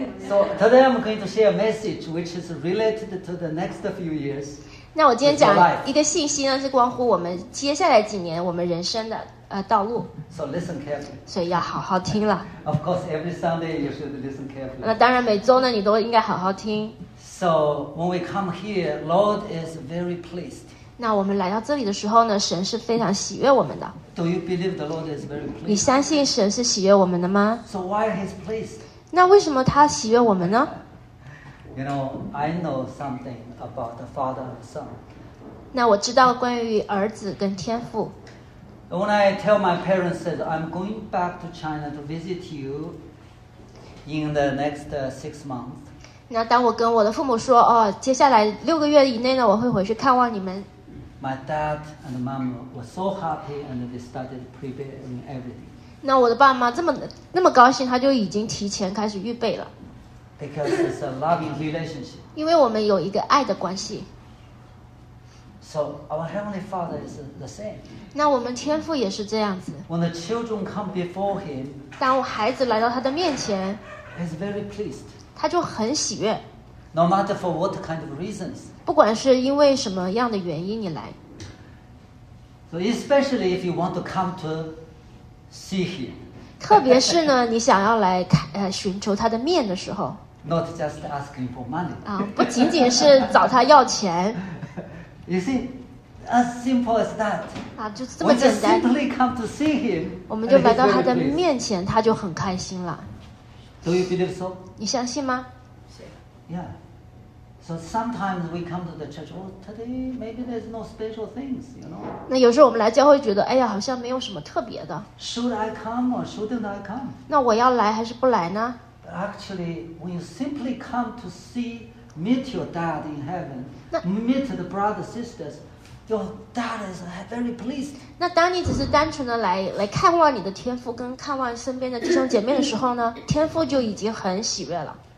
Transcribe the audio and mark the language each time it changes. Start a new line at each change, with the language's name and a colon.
English: So today I'm going to share a message which is related to the next few years.
Chinese: 那我今天讲一个信息呢，是关乎我们接下来几年我们人生的道路。
English: So listen carefully.
Chinese: 所以要好好听了。
English: Of course, every Sunday you should listen carefully.
Chinese: 那当然，每周呢你都应该好好听。
English: So when we come here, Lord is very pleased.
Chinese: 那我们来到这里的时候呢，神是非常喜悦我们的。
English: Do you believe the Lord is very pleased?
Chinese: 你相信神是喜悦我们的吗
English: ？So why is he pleased?
Chinese: 那为什么他喜悦我们呢？
English: You know, I know something about the Father and Son.
Chinese: 那我知道关于儿子跟天父。
English: When I tell my parents that I'm going back to China to visit you in the next 6 months.
Chinese: 那当我跟我的父母说，哦，接下来六个月以内呢，我会回去看望你们。
English: My dad and mom were so happy, and they started preparing everything.
Chinese: 那我的爸妈那么高兴，他就已经提前开始预备了。
English: Because it's a loving relationship.
Chinese: 因为我们有一个爱的关系。
English: So our heavenly Father is the same.
Chinese: 那我们天父也是这样子。
English: When the children come before him,
Chinese: 当孩子来到他的面前，
English: he's very pleased.
Chinese: 他就很喜悦。
English: No matter for what kind of reasons.
Chinese: 不管是因为什么样的原因你来。
English: So especially if you want to come to see him.
Chinese: 特别是呢，你想要来寻求他的面的时候
English: ，Not just asking for money
Chinese: 啊，不仅仅是找他要钱。
English: You see, as simple as that
Chinese: 啊，就这么简单。
English: We just simply come to see him，
Chinese: 我们就来到他的面前，他就很开心了。
English: Do you believe so？
Chinese: 你相信吗
English: ？Yeah. So sometimes we come to the church. Well, today maybe there's no special things, you know.
Chinese: 那有时候我们来教会觉得，哎呀，好像没有什么特别的。
English: Should I come or shouldn't I come?
Chinese: 那我要来还是不来呢
English: ？But actually, when you simply come to see, meet your dad in heaven, meet the brothers sisters, your dad is very pleased.
Chinese: 那当你只是单纯的来看望你的天父，跟看望身边的弟兄姐妹的时候呢，天父就已经很喜悦了。